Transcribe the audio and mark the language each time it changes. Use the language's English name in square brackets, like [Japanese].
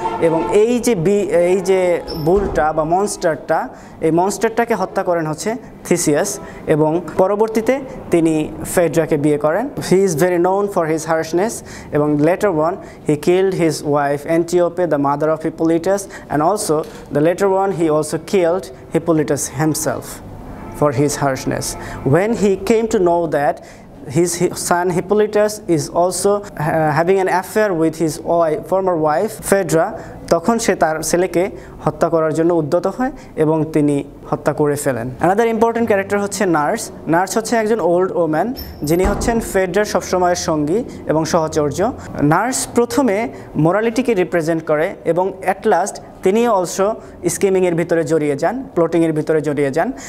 [Bangla] এবং এই যে বুলটা বা মনস্টারটা, এই মনস্টারটাকে হত্যা করেন হচ্ছে থিসিয়াস, এবং পরবর্তীতে তিনি ফেড্রাকে বিয়ে করেন। [English] He is very known for his harshness, এবং later one he killed his wife Antiope, the mother of Hippolytus, and also the later one he also killed Hippolytus himself for his harshness. When he came to know that his son Hippolytus is also having an affair with his former wife Phaedra, [Bangla] তখন সে তার ছেলেকে হত্যা করার জন্য উদ্যত হয় এবং তিনি হত্যা করে ফেলেন। [English] another important character [Bangla] হচ্ছে নার্স। নার্স হচ্ছে একজন ওল্ড ওম্যান যিনি হচ্ছেন ফেড্রার সবসময়ের সঙ্গী এবং সহচর্য। নার্স প্রথমে মোরালিটিকে রিপ্রেজেন্ট করে এবং অ্যাট লাস্ট তিনি অলসো স্কিমিংয়ের ভিতরে জড়িয়ে যান, প্লটিংয়ের ভিতরে জড়িয়ে যান।